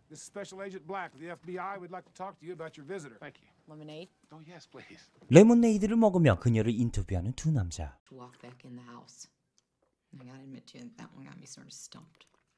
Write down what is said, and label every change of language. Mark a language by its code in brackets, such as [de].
[en] This is Special Agent Black of the FBI. We'd like to talk to you about your visitor. Thank you. Lemonade? Oh yes, please. [ko] 레몬에이드를 먹으며 그녀를 인터뷰하는 두 남자. [en] Walk back in the house. I gotta admit to you that one got me sort of stumped.